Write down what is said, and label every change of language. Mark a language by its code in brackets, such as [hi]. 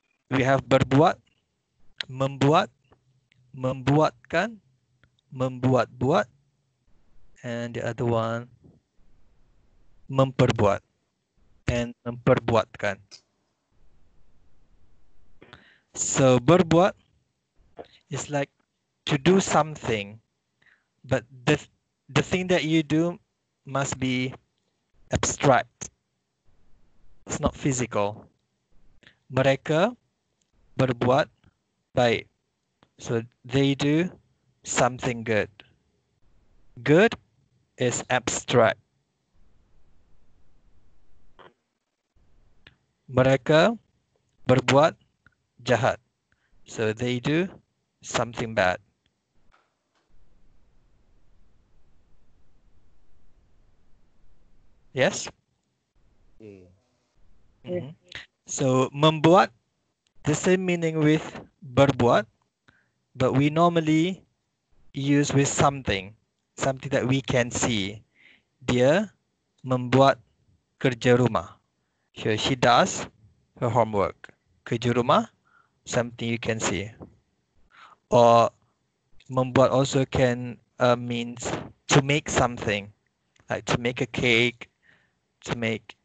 [en] We have berbuat, membuat, membuatkan, membuat-buat, and the other one, memperbuat, and memperbuatkan. So, berbuat is like to do something, but the thing that you do must be abstract. It's not physical. [id] Mereka berbuat baik. [en] So they do something good. Good is abstract. [id] Mereka berbuat jahat. [en] So they do something bad. Yes? Mm-hmm. So membuat, the same meaning with berbuat, but we normally use with something that we can see. [id] Dia membuat kerja rumah. [en] So she does her homework. [id] Kerja rumah, [en] something you can see. Or membuat also can means to make something, like to make a cake, to make.